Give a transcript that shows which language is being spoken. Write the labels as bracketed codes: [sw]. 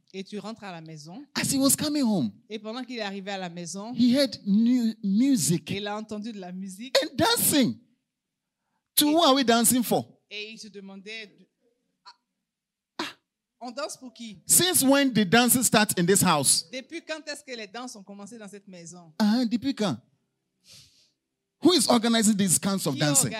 [fr] Et tu rentres à la maison. [en] As he was coming home. [fr] Et pendant qu'il est arrivé à la maison. [en] He heard music. [fr] Il a entendu de la musique. [en] And dancing. To who are we dancing for? [fr] Et il se demandait. On danse pour qui? [en] Since when did dancing start in this house? [fr] Depuis quand est-ce que les danses ont commencé dans cette maison? Depuis quand? [en] Who is organizing these kinds of dancing?